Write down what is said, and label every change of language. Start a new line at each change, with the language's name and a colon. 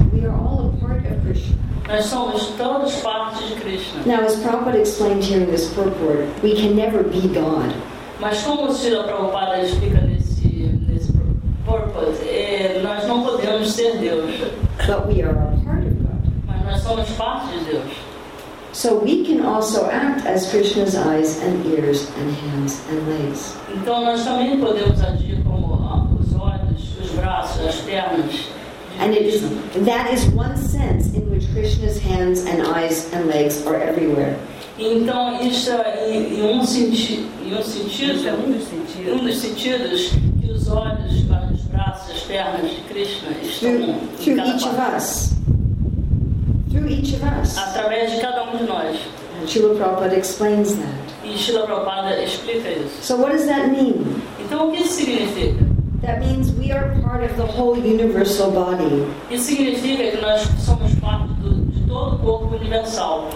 English: We are all a part of Krishna.
Portuguese: Nós somos todos parte de Krishna.
English: Now, as Prabhupada explained here in this purport, we can never be God.
Portuguese: Mas como o Srila Prabhupada explica nesse purport, nós não podemos ser Deus.
English: But we are a part of God.
Portuguese: Nós somos parte de Deus.
English: So we can also act as Krishna's eyes and ears and hands and legs.
Portuguese: Então nós também podemos agir como os olhos, os braços, as pernas.
English: And it is, that is one sense in which Krishna's hands and eyes and legs are everywhere.
Portuguese: Então isso é um dos sentidos que os olhos, os braços, as pernas de Krishna estão
English: through each of us. Through each of us.
Portuguese: Através de cada de nós.
English: And Srila Prabhupada explains that.
Portuguese: E Srila Prabhupada explica isso.
English: So what does that mean?
Portuguese: Então o que isso significa?
English: That means we are part of the whole universal body.
Portuguese: Isso significa que nós somos parte de todo o corpo universal.